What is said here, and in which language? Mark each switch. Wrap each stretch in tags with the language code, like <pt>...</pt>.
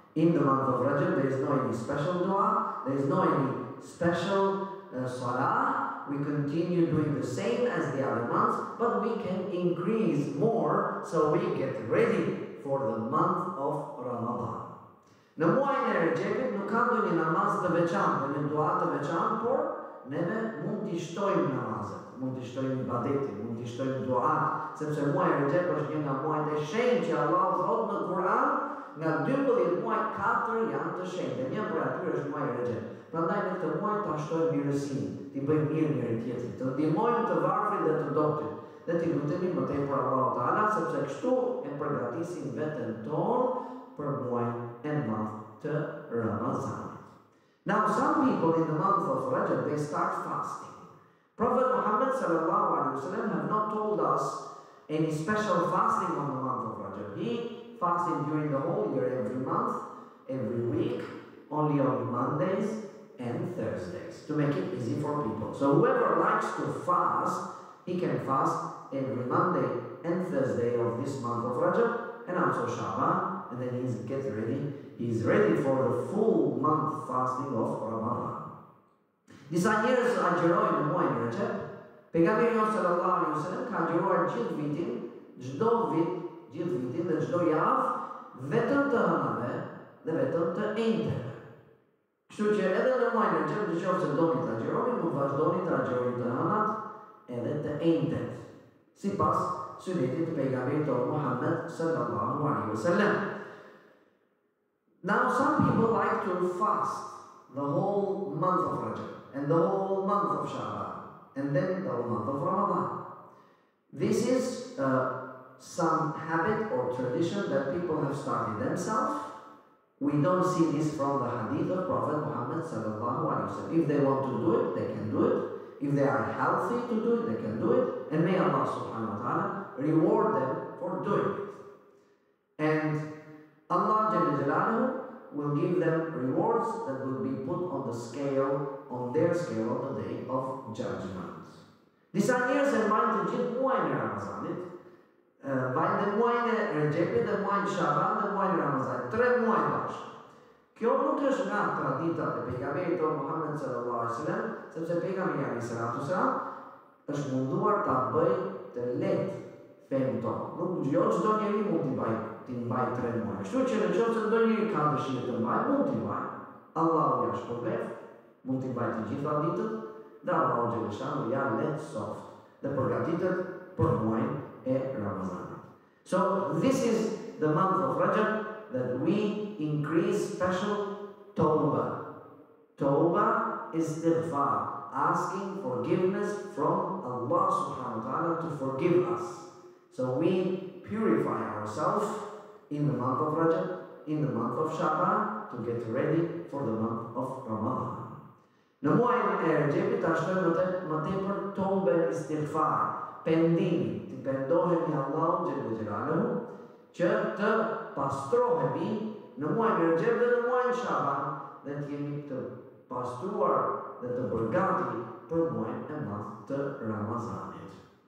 <en>In the month of Rajab, there is no any special dua, there is no any special salah. We continue doing the same as the other months, but we can increase more so we get ready for the month of Ramadan.</en> <sq>Në muajin e Recepit nuk kam ndonjë namaz të veçantë, një dua të veçantë, por neve mund t'i shtojmë namazet, mund t'i shtojmë ibadetin, mund t'i shtojmë duat, sepse muaji i Recep është një nga muajt e shenjtë që Allah thot në Kur'an, nga 12 muaj 4 janë të shenjtë, dhe një prej atyre është muaji i Recep. Prandaj në këtë muaj ta shtojmë mirësinë, t'i bëjmë mirë njëri tjetrit, të ndihmojmë të varfrit dhe të dobët, dhe t'i lutemi më tepër Allahut Ta'ala, sepse kështu e përgatisim veten tonë për muajin e madh të Ramazanit.</sq> <en>Now some people in the month of Rajab, they start fasting. Prophet Muhammad sallallahu alaihi wasallam have not told us any special fasting on the month of Rajab. He fasted during the whole year, every month, every week, only on Mondays and Thursdays, to make it easy for people. So whoever likes to fast, he can fast every Monday and Thursday of this month of Rajab, and also Sha'ban, and then he's ready for the full month fasting of Ramadan.</en> <sq>Disa njerës agjerojnë në muajin Recep. Pejgamberi jonë sallallahu alaihi wasallam ka agjeruar gjithë vitin dhe çdo javë vetëm të hënave dhe vetëm të enteve. Kështu që edhe në muajin Recep, në qoftë se doni të agjeroni, mund vazhdoni të agjeroni të hënat edhe të entet, sipas sunetit të pejgamberit tonë Muhammed sallallahu alaihi wasallam.</sq> <en>Now some people like to fast the whole month of Rajab and the whole month of Sha'ban and then the whole month of Ramadan. This is some habit or tradition that people have started themselves. We don't see this from the hadith of Prophet Muhammad sallallahu alaihi wasallam. If they want to do it, they can do it. If they are healthy to do it, they can do it. And may Allah subhanahu wa ta'ala reward them for doing it. And Allah Jalla Jalaluhu will give them rewards that will be put on the scale, on their scale, on the day of judgment.</en> <sq>Disa njerëz e mbajnë të gjithë muajin e Ramazanit, mbajnë dhe muajin e Recepit, dhe muajin e Sha'ban, dhe muajin e Ramazanit, tre muaj bashkë. Kjo nuk është nga tradita e pejgamberit tonë Muhammed sallallahu alaihi wasallam, sepse pejgamberi alaihi salatu wasallam është munduar ta bëj të lehtë fenë tonë. Nuk jo çdo njeri mund t'i bëjë ti mbaj tre muaj. Kështu që në qoftë se ndonjëri ka dëshirë të mbaj, mund t'i mbaj. Allahu ja shpërblet, mund t'i mbaj të gjitha ditët, dhe Allahu xhaleshanu ja le soft dhe përgatitet për muajin e Ramazanit.</sq> <en>So this is the month of Rajab that we increase special tawbah. Tawbah is istighfar, asking forgiveness from Allah subhanahu wa ta'ala to forgive us. So we purify ourselves in the month of Rajab, in the month of Sha'ban, to get ready for the month of Ramadan.</en> <sq>Në muajin e Rajabit tashmë më tepër tawbe istighfar, pendimi, të pendohemi Allahu xhelalu xhelaluhu që të pastrohemi në muajin e Rajab dhe në muajin e Sha'ban, dhe të jemi të pastruar dhe të përgati për muajin e madh të Ramazanit.</sq>